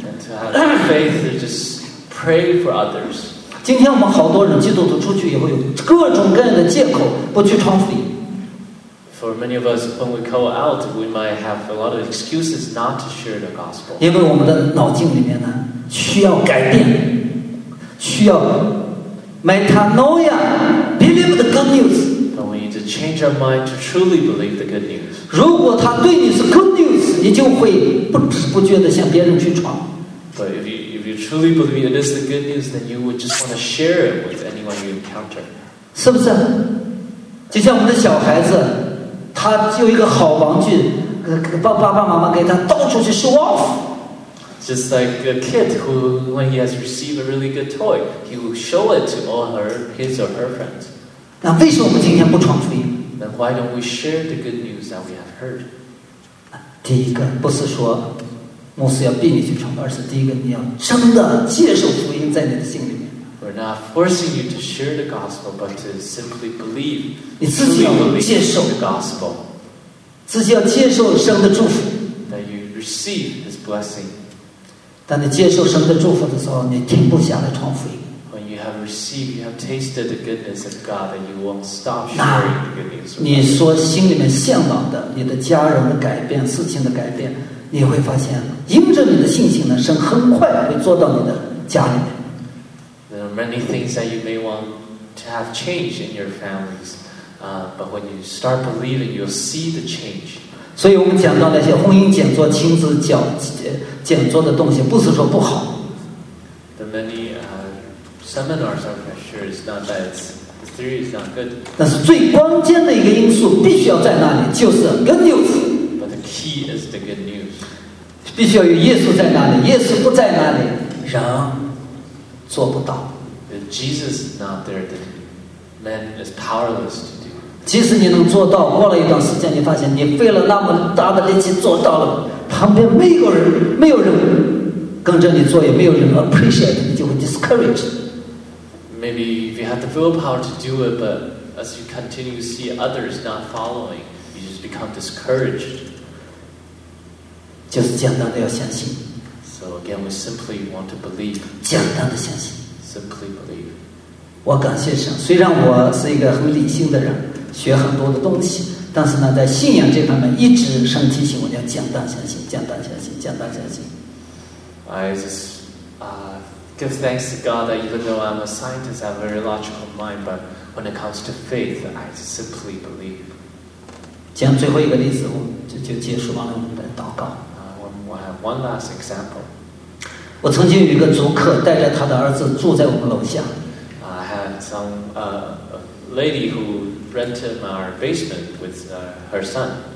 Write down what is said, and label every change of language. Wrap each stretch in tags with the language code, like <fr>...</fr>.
<en>And to have faith to just pray for others.</en> <zh>今天我们好多人基督徒出去以后有各种各样的借口不去传福音。</zh> <en>For many of us, when we go out, we might have a lot of excuses not to share the gospel.</en> <zh>因为我们的脑筋里面呢，需要改变，需要。</zh> <en>Metanoia, believe the good news. But we need to change our mind to truly believe the good news.</en> <zh>如果他对你是</zh> <en>good news,</en> <zh>你就会不知不觉地向别人去传。</zh> <en>But if you truly believe it is the good news, then you would just want to share it with anyone you encounter.</en> <zh>是不是？就像我们的小孩子，他有一个好玩具，爸爸妈妈给他到处去</zh> <en>show off。 Just like a kid who, when he has received a really good toy, he will show it to all his or her friends.</en> <zh>那为什么我们今天不传福音？</zh> <en>Then why don't we share the good news that we have heard?</en> <zh>第一个不是说牧师要逼你去传，而是第一个你要真的接受福音在你的心里面。</zh> <en>We're not forcing you to share the gospel, but to simply believe.</en> <zh>你自己要接受</zh> <en>the gospel.</en> <zh>自己要接受神的祝福。</zh> <en>That you receive His blessing.</en> <zh>当你接受神的祝福的时候，你停不下来传福音。</zh> <en>When you have received, you have tasted the goodness of God, and you won't stop sharing the good news.</en> <zh>你说心里面向往的，你的家人的改变，事情的改变，你会发现，因着你的信心呢，神很快会做到你的家里面。</zh> <en>There are many things that you may want to have change in your families, but when you start believing, you'll see the change.</en> <zh>所以我们讲到那些婚姻讲座、亲子讲讲座的东西，不是说不好。</zh> <en>The many seminars are for sure is not bad. The theory is not good.</en> <zh>但是最关键的一个因素必须要在那里，就是</zh> <en>good news. But the key is the good news.</en> <zh>必须要有耶稣在那里，耶稣不在那里，人做不到。</zh> <en>If Jesus is not there, then man is powerless to do.</en> <zh>即使你能做到，过了一段时间，你发现你费了那么大的力气做到了，旁边没有人，没有人跟着你做，也没有人 appreciate， 你就会 discourage。</zh> <en>Maybe if you have the willpower to do it, but as you continue to see others not following, you just become discouraged.</en> <zh>就是简单的要相信。</zh> <en>So again, we simply want to believe.</en> <zh>简单的相信。</zh> <en>Simply believe.</en> <zh>我感谢神，虽然我是一个很理性的人。学很多的东西，但是呢，在信仰这方面，一直神提醒我要简单相信，简单相信，简单相信。</zh> <en>I just give thanks to God that even though I'm a scientist, I have a very logical mind, but when it comes to faith, I simply believe.</en> <zh>讲最后一个例子，我就结束完了，我们来祷告。</zh> <en>I have one last example.</en> <zh>我曾经有一个租客带着他的儿子住在我们楼下。</zh> <en>I had some lady who. Rented our basement with her son.</en>